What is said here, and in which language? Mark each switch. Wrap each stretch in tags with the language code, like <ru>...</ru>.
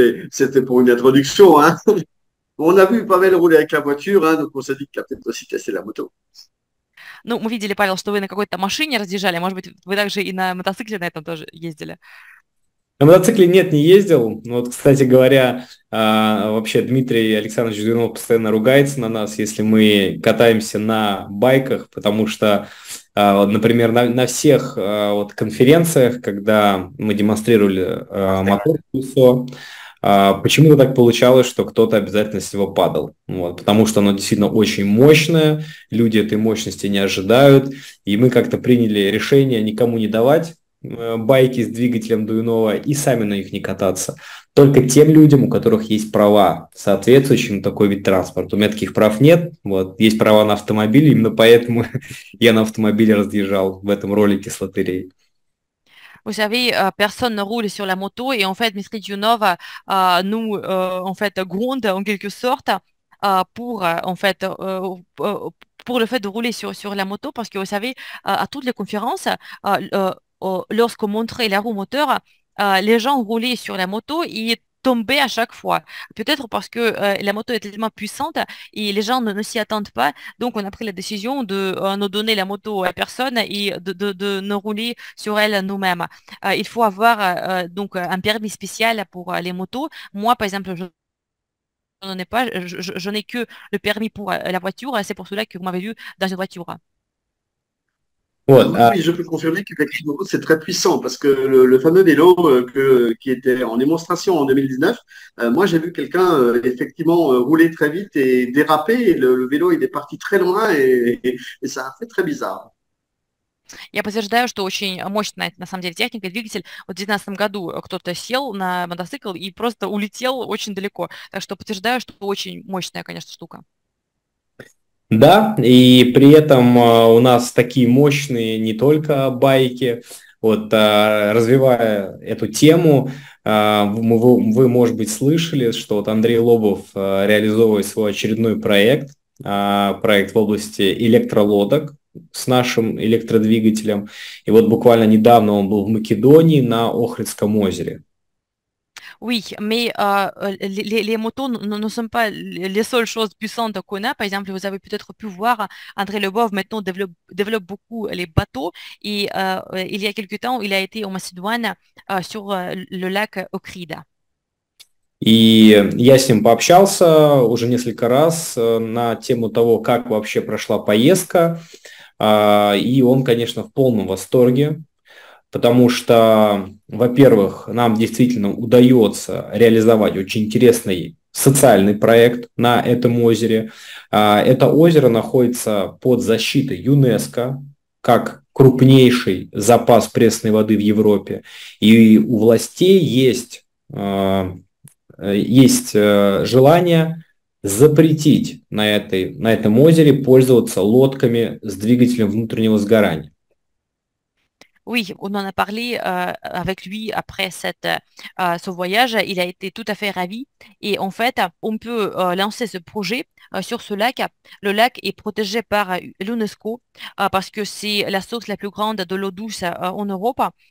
<fr>C'était pour une introduction, hein. On a vu Pavel rouler avec la voiture, hein, donc on s'est dit qu'il a peut-être aussi cassé la moto.</fr> <ru>Ну, мы видели, Павел, что вы на какой-то машине разъезжали. Может быть, вы также и на мотоцикле на этом тоже ездили. На мотоцикле нет, не ездил. Но вот, кстати говоря, вообще Дмитрий Александрович Дюнов постоянно ругается на нас, если мы катаемся на байках, потому что, например, на всех вот, конференциях, когда мы демонстрировали мотор Кусо, почему-то так получалось, что кто-то обязательно с него падал. Вот, потому что оно действительно очень мощное, люди этой мощности не ожидают, и мы как-то приняли решение никому не давать байки с двигателем Дуйнова и сами на них не кататься. Только тем людям, у которых есть права, соответствующие на такой вид транспорта. У меня таких прав нет, вот, есть права на автомобиль, именно поэтому я на автомобиле разъезжал в этом ролике с лотереей.</ru> <fr>Vous savez, personne ne roule sur la moto et en fait, Dmitry Dionov nous en fait gronde en quelque sorte pour en fait pour le fait de rouler sur la moto parce que vous savez à toutes les conférences lorsqu'on montrait la roue moteur les gens roulaient sur la moto et tomber à chaque fois. Peut-être parce que la moto est tellement puissante et les gens ne s'y attendent pas. Donc, on a pris la décision de ne donner la moto à personne et de ne rouler sur elle nous-mêmes. Il faut avoir donc un permis spécial pour les motos. Moi, par exemple, je n'ai que le permis pour la voiture. C'est pour cela que vous m'avez vu dans une voiture. Oui, je peux confirmer qu'effectivement, c'est très puissant parce que le fameux vélo qui était en démonstration en 2019, moi j'ai vu quelqu'un effectivement rouler très vite et déraper. Et le vélo, il est parti très loin et ça a fait très bizarre.</fr> <ru>Я подтверждаю, что очень мощная на самом деле техника, двигатель. Вот в 2019 году кто-то сел на мотоцикл и просто улетел очень далеко. Так что подтверждаю, что очень мощная, конечно, штука. Да, и при этом у нас такие мощные не только байки. Вот, развивая эту тему, вы, может быть, слышали, что вот Андрей Лобов реализовывает свой очередной проект, проект в области электролодок с нашим электродвигателем. И вот буквально недавно он был в Македонии на Охридском озере.</ru> <fr>Oui, mais les motos ne sont pas les seules choses puissantes qu'on a. Par exemple, vous avez peut-être pu voir, André Lebov maintenant développe beaucoup les bateaux. Et il y a quelque temps, il a été en Macédoine sur le lac Ohrid.</fr> <ru>И я с ним пообщался уже несколько раз на тему того, как вообще прошла поездка. И он, конечно, в полном восторге, потому что, во-первых, нам действительно удается реализовать очень интересный социальный проект на этом озере. Это озеро находится под защитой ЮНЕСКО, как крупнейший запас пресной воды в Европе. И у властей есть желание запретить на этом озере пользоваться лодками с двигателем внутреннего сгорания.</ru> <fr>Oui, on en a parlé avec lui après ce voyage. Il a été tout à fait ravi. Et en fait, on peut lancer ce projet sur ce lac. Le lac est protégé par l'UNESCO parce que c'est la source la plus grande de l'eau douce en Europe.</fr>